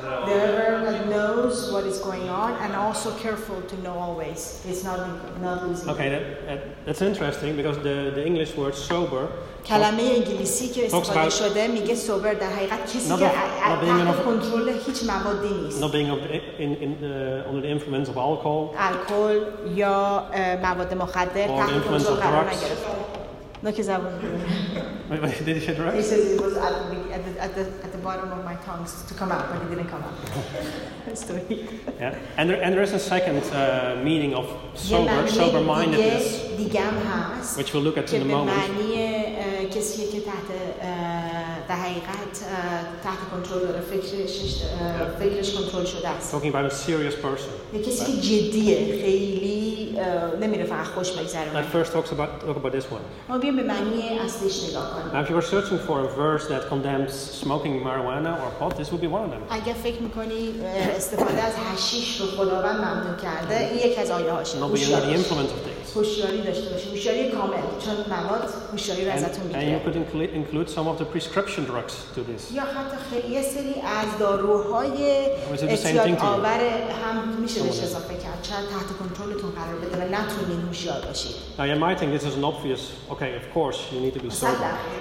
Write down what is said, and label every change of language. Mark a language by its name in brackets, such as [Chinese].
[English] The verb that knows what is going on and also careful to know always. It's not losing. Okay, that's interesting because the English word sober... [Persian] کلمه انگلیسی که استفاده شده میگه سوبر در حقیقت کسی که تحت کنترل هیچ موادی نیست. [English] Not being under the influence of alcohol. [Persian] الکل یا مواد مخدر تحت کنترل قرار نگرفته. نه که زبون. [English] Wait, did you say drugs? He says it was at the bottom of my tongue to come out, but it didn't come out. That's too weak. Yeah, and there is a second meaning of sober, sober-mindedness, which we'll look at in a moment. [Persian] که به معنی کسی که تحت دهیقت تحت کنترل داره فکرش کنترل شده است. [English] Talking about a serious person. [Persian] کسی که جدیه خیلی نمیره فقط خوش بگذره. [English] That first talk about this one. [Persian] ما بیم به معنی اصلیش نگاه. [English] Now, if you were searching for a verse that condemns smoking marijuana or pot, this would be one of them. [Persian] اگر فکر میکنی استفاده از حشیش رو خداوند ممنوع کرده، این یک از آیه‌هاش. [English] Not being under the influence of things. [Persian] هوشیاری داشته باشی. هوشیاری کامل. چون مواد هوشیاری رو ازتون میگیره. [English] And you could include some of the prescription drugs to this. [Persian] یا حتی خیلی سری از داروهای اعتیادآور هم میشه بهش اضافه کرد. چرا تحت کنترلتون قرار بده و نتونین هوشیار باشی. [English] Now, you might think this is an obvious. Okay, of course, you need to be sober.